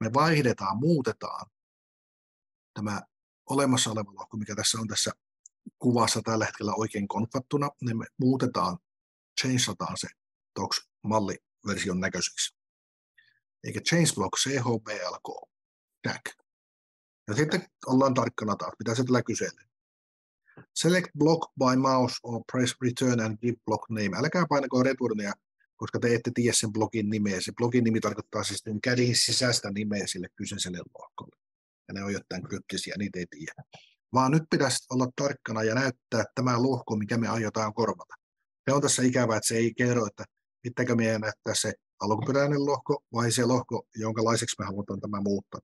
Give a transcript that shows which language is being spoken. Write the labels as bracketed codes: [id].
[fi] Me vaihdetaan, muutetaan tämä olemassa oleva lohko, mikä tässä on tässä kuvassa tällä hetkellä oikein konfattuna, niin me muutetaan, changeataan se toks malliversion näköiseksi. Eikä change block CHBLK. Ja sitten ollaan tarkkana taas, mitä se tällä kyselee. [en] Select block by mouse or press return and give block name. [fi] Älkää painako returnia, koska te ette tiedä sen blogin nimeä. Se blogin nimi tarkoittaa siis kädin sisäistä nimeä sille kyseiselle lohkolle. Ja ne on jotain kryptisiä, niitä ei tiedä. Vaan nyt pitäisi olla tarkkana ja näyttää tämä lohko, mikä me aiotaan korvata. Se on tässä ikävää, että se ei kerro, että pitääkö meidän näyttää se alkuperäinen lohko vai se lohko, jonkalaiseksi me halutaan tämä muuttaa.